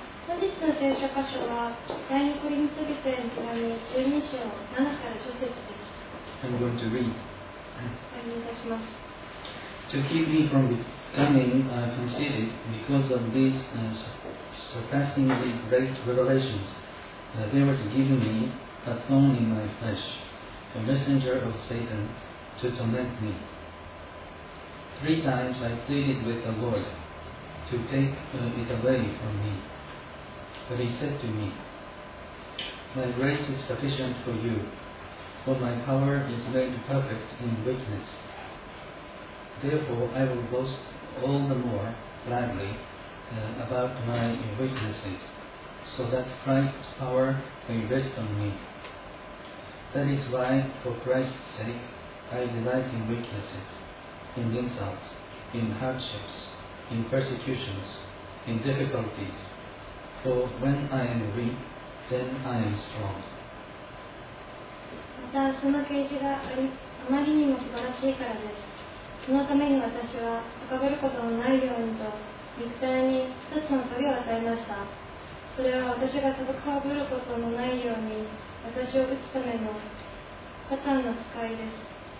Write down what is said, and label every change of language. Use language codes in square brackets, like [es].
[ja] 本日の聖書箇所は第2コリント人への手紙12章7から10節です。 [en] I'm going to read. [ja] 読みいたします。 [en] To keep me from becoming conceited because of these surpassingly great revelations. There was given me a thorn in my flesh, a messenger of Satan, to torment me. Three times I pleaded with the Lord to take it away from me. But he said to me, My grace is sufficient for you, for my power is made perfect in weakness. Therefore I will boast all the more gladly about my weaknesses. So that Christ's power may rest on me. That is why, for Christ's sake, I delight in weaknesses, in insults, in hardships, in persecutions, in difficulties. For when I am weak, then I am strong. [ja] またその啓示があまりにも素晴らしいからです。そのために私は高ぶることのないようにと肉体に一つの棘を与えました。それは私が戦うことのないように私を打つためのサタンの使いです。